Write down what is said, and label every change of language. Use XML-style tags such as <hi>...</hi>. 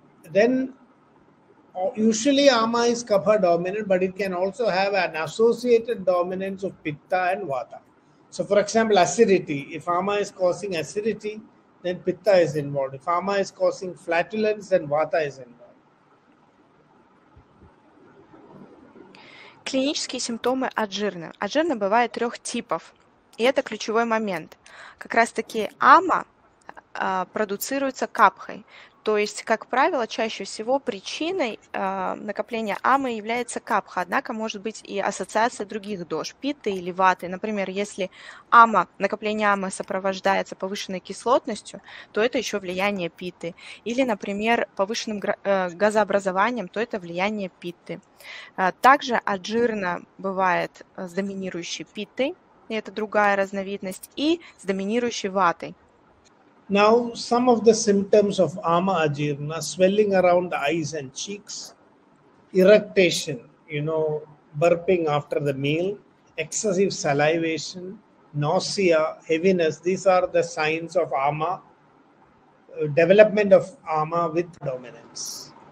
<en>Then, usually ama is kapha dominant, but it can also have an associated dominance of pitta and vata. So, for example, acidity. If ama is causing acidity, then pitta is involved. If ama is causing flatulence, then vata is involved.</en> <ru>Клинические симптомы аджирны. Аджирна бывает трех типов, и это ключевой момент. Как раз-таки ама продуцируется капхой, то есть, как правило, чаще всего причиной накопления амы является капха, однако может быть и ассоциация других дош, питты или ваты. Например, если ама, накопление амы сопровождается повышенной кислотностью, то это еще влияние питты. Или, например, повышенным газообразованием, то это влияние питты. Также аджирна бывает с доминирующей питтой, и это другая разновидность, и с доминирующей ватой.</ru> <en>Now, some of the symptoms of ama ajirna, swelling around the eyes and cheeks, irritation, you know, burping after the meal, excessive salivation, nausea, heaviness, these are the signs of ama, development of ama with dominance.</en>